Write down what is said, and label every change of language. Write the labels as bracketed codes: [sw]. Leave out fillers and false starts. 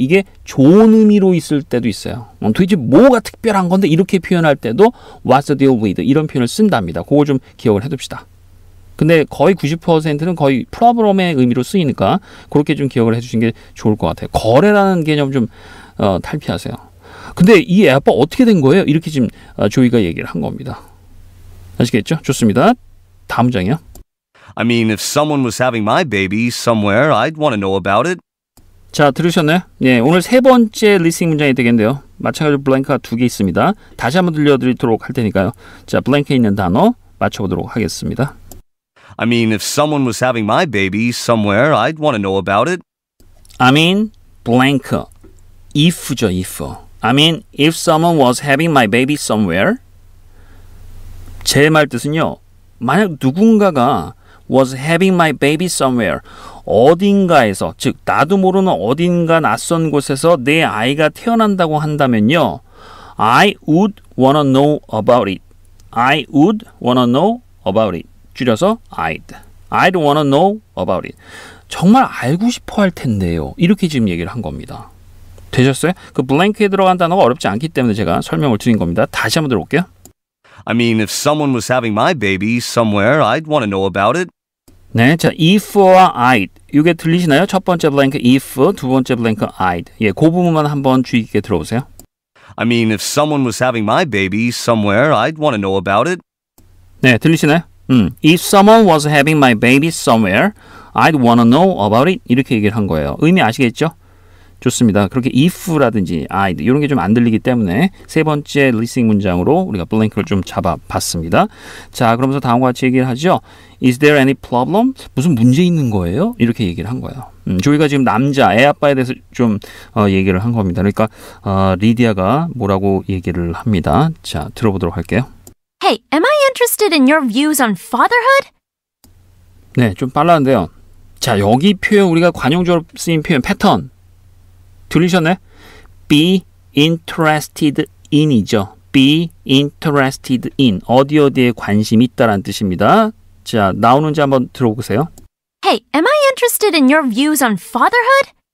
[ko] 이게 좋은 의미로 있을 때도 있어요. 도대체 뭐가 특별한 건데 이렇게 표현할 때도 [en] What's the deal with? [ko] 이런 표현을 쓴답니다. 그거 좀 기억을 해둡시다. 근데 거의 90%는 거의 problem의 의미로 쓰이니까 그렇게 좀 기억을 해주신 게 좋을 것 같아요. 거래라는 개념 좀 탈피하세요. 근데 이 아빠 어떻게 된 거예요? 이렇게 지금 조이가 얘기를 한 겁니다. 아시겠죠? 좋습니다. 다음 장이요. [en] I mean, if someone was having my baby somewhere, I'd want to know about it. [ko] 자, 들으셨나요? 네, 오늘 세 번째 리스닝 문장이 되겠는데요. 마찬가지로 블랭크가 두 개 있습니다. 다시 한번 들려드리도록 할 테니까요. 자, 블랭크에 있는 단어 맞춰보도록 하겠습니다. [en] I mean, if someone was having my baby somewhere, I'd want to know about it. I mean, blank. If죠, if. I mean, if someone was having my baby somewhere. [ko] 제 말 뜻은요. 만약 누군가가 [en] was having my baby somewhere. [ko] 어딘가에서, 즉 나도 모르는 어딘가 낯선 곳에서 내 아이가 태어난다고 한다면요. [en] I would want to know about it. I would want to know about it. 줄여서 I'd want to know about it. [ko] 정말 알고 싶어 할 텐데요. 이렇게 지금 얘기를 한 겁니다. 되셨어요? 그 블랭크에 들어간 단어가 어렵지 않기 때문에 제가 설명을 드린 겁니다. 다시 한번 들어볼게요. [en] I mean, if someone was having my baby somewhere, I'd want to know about it. [ko] 네, 자, if와 I'd. 이게 들리시나요? 첫 번째 블랭크 if, 두 번째 블랭크 I'd. 예, 그 부분만 한번 주의 깊게 들어보세요. [en] I mean, if someone was having my baby somewhere, I'd want to know about it. [ko] 네, 들리시나요? [en] If someone was having my baby somewhere, I'd want to know about it. [ko] 이렇게 얘기를 한 거예요. 의미 아시겠죠? 좋습니다. 그렇게 if라든지 I'd 이런 게 좀 안 들리기 때문에 세 번째 리스닝 문장으로 우리가 블랭크를 좀 잡아봤습니다. 자, 그러면서 다음과 같이 얘기를 하죠. [en] Is there any problem? [ko] 무슨 문제 있는 거예요? 이렇게 얘기를 한 거예요. 조이가 지금 남자, 애 아빠에 대해서 좀 얘기를 한 겁니다. 그러니까 리디아가 뭐라고 얘기를 합니다. 자, 들어보도록 할게요. [en] Hey, am I interested in your views on fatherhood? [ko] 네, 좀 빨랐는데요. 자, 여기 표현 우리가 관용적으로 쓰인 표현 패턴 들리셨네? [en] Be interested in이죠. Be interested in. [ko] 어디 어디에 관심 있다라는 뜻입니다. 자, 나오는지 한번 들어보세요. [en] Hey, am I interested in your views on fatherhood?